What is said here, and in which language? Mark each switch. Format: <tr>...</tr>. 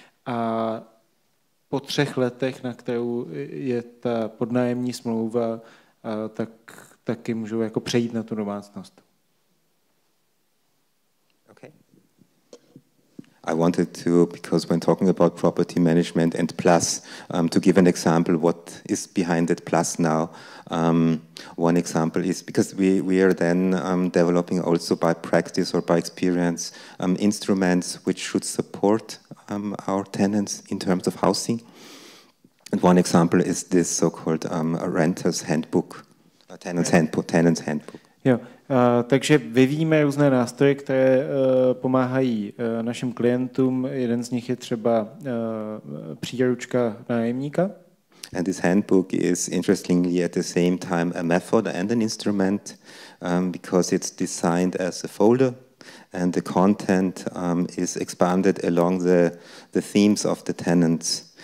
<cs>A po 3 letech, na kterou je ta podnájemní smlouva, tak taky můžou jako přejít na tu domácnost.</cs> <en>Okay. I wanted to, because when talking about property management and plus, to give an example what is behind that plus now. One example is, because we are then developing also by practice or by experience instruments which should support our tenants in terms of housing. And one example is this so-called a renter's handbook, a tenant's handbook. Tenant's handbook.</en> <cs>Jo. Takže vyvíjíme různé nástroje, které pomáhají našim klientům. Jeden z nich je třeba příručka nájemníka.</cs> <en>And this handbook is interestingly at the same time a method and an instrument, because it's designed as a folder, and the content is expanded along the themes of the tenants.</en>